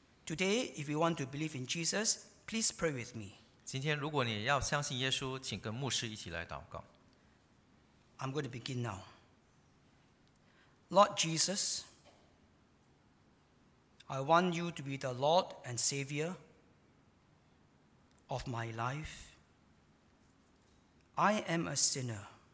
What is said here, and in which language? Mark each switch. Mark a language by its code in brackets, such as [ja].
[en] Today, if you want to believe in Jesus, please pray with me. [zh] 今天如果你要相信耶稣，请跟牧师一起来祷告。 [en] I'm going to begin now. Lord Jesus, I want you to be the Lord and Savior of my life. I am a sinner.